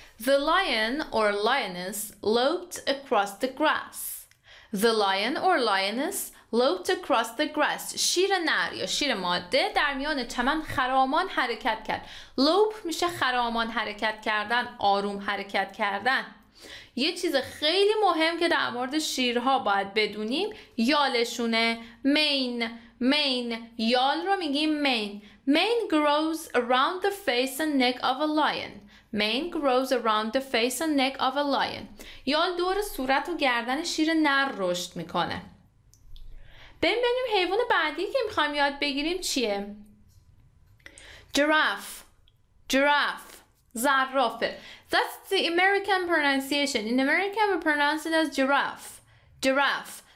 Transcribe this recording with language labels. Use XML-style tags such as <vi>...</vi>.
<en>The lion or lioness loped across the grass. The lion or lioness loped across the grass.</en> <fa>شیر نر یا شیر ماده در میان چمن خرامان حرکت کرد. لوپ میشه خرامان حرکت کردن، آروم حرکت کردن. یه چیز خیلی مهم که در مورد شیرها باید بدونیم، یالشونه. مین. مین. یال رو میگیم مین.</fa> <en>Mane grows around the face and neck of a lion. Mane grows around the face and neck of a lion.</en> <fa>یال دور صورت و گردن شیر نر رشد میکنه. ببینیم حیوان بعدی که میخوایم یاد بگیریم چیه؟ جراف.</fa> <en>Giraffe. زرافه. That's the American pronunciation. In America we pronounce it as giraffe. Giraffe.</en>